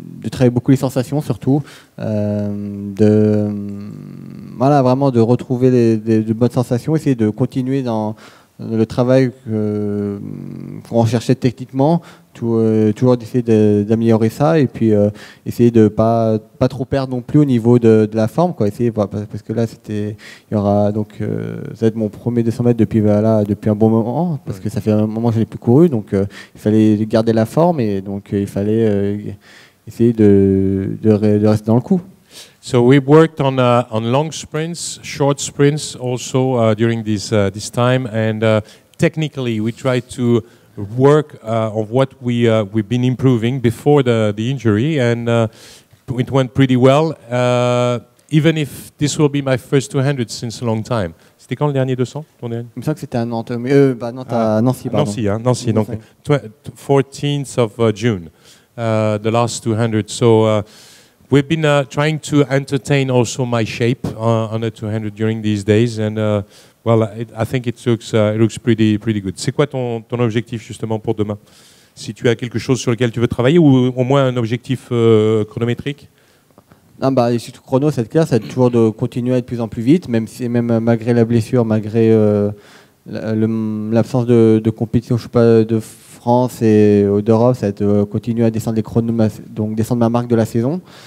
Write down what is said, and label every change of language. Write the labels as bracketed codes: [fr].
[fr] travailler beaucoup les sensations surtout, voilà, vraiment de retrouver de bonnes sensations, essayer de continuer dans le travail qu'on cherchait techniquement, toujours d'essayer d'améliorer ça, et puis essayer de pas trop perdre non plus au niveau de la forme, quoi. Essayer, parce que là c'était, il y aura donc ça va être mon premier 200 mètres depuis, voilà, depuis un bon moment, parce que ça fait un moment que je n'ai plus couru, donc il fallait garder la forme, et donc il fallait essayer de rester dans le coup. [en] So we worked on long sprints, short sprints also during this time, and technically we tried to work on what we've been improving before the injury, and it went pretty well, even if this will be my first 200 since a long time. [fr] C'était quand le dernier 200, ton dernier? Il me semble que c'était à Nantes, mais Nancy, [en] donc 14th of June, the last 200. So we've been trying to entertain also my shape on the 200 during these days, and well, I think it looks pretty good. [fr] C'est quoi ton objectif justement pour demain? Si tu as quelque chose sur lequel tu veux travailler, ou au moins un objectif chronométrique? Non, bah, si tu chrono, c'est clair, c'est toujours de continuer à être de plus en plus vite, même malgré la blessure, malgré l'absence de compétition, je sais pas, de France et d'Europe, c'est continuer à descendre les chronos, donc descendre ma marque de la saison.